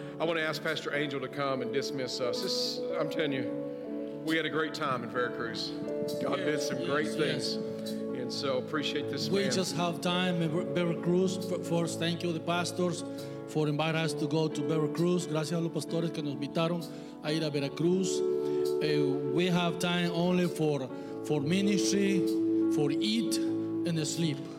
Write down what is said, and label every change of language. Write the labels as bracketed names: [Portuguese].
[English] I want to ask Pastor Angel to come and dismiss us. I'm telling you, we had a great time in Veracruz. God did some great things, and so appreciate this we man. We just have time in Veracruz. First, thank you, the pastors, for inviting us to go to Veracruz. [Spanish] Gracias a los pastores que nos invitaron a ir a Veracruz. [English] We have time only for ministry, for eat and sleep.